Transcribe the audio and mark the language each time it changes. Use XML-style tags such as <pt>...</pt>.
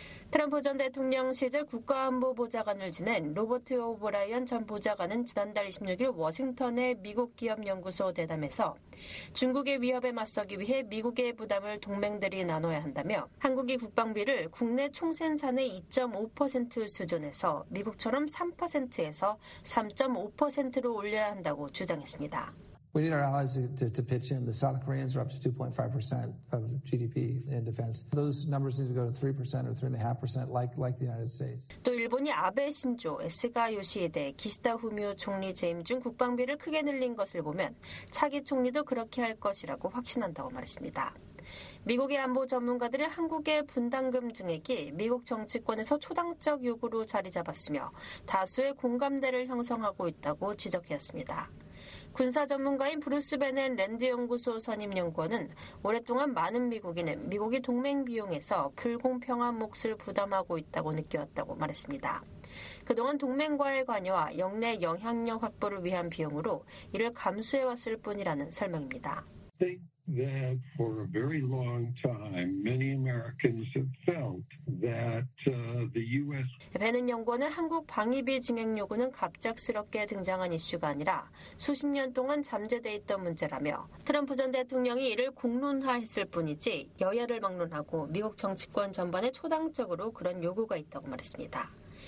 <ko>트럼프 전 대통령 시절 국가안보보좌관을 지낸 로버트 오브라이언 전 보좌관은 지난달 26일 워싱턴의 미국 기업연구소 대담에서 중국의 위협에 맞서기 위해 미국의 부담을 동맹들이 나눠야 한다며 한국이 국방비를 국내 총생산의 2.5% 수준에서 미국처럼 3%에서 3.5%로 올려야 한다고 주장했습니다.</ko> <en>We need our allies to pitch in. The South Koreans are up to 2.5% of GDP in defense. Those numbers need to go to 3% or 3.5% like the United States.</en> <ko>또 일본이 아베 신조, 에스가 요시히데, 기시다 후미오 총리 재임 중 국방비를 크게 늘린 것을 보면 차기 총리도 그렇게 할 것이라고 확신한다고 말했습니다. 미국의 안보 전문가들은 한국의 분담금 증액이 미국 정치권에서 초당적 요구로 자리 잡았으며 다수의 공감대를 형성하고 있다고 지적했습니다. 군사 전문가인 브루스 베넨 랜드 연구소 선임 연구원은 오랫동안 많은 미국인은 미국이 동맹 비용에서 불공평한 몫을 부담하고 있다고 느껴왔다고 말했습니다. 그동안 동맹과의 관여와 역내 영향력 확보를 위한 비용으로 이를 감수해왔을 뿐이라는 설명입니다.</ko> <en>Think that for a very long time, many Americans have felt that the U.S.</en> <ko>베넨 연구원은 한국 방위비 증액 요구는 갑작스럽게 등장한 이슈가 아니라 수십 년 동안 잠재돼 있던 문제라며 트럼프 전 대통령이 이를 공론화했을 뿐이지 여야를 막론하고 미국 정치권 전반에 초당적으로 그런 요구가 있다고 말했습니다.</ko>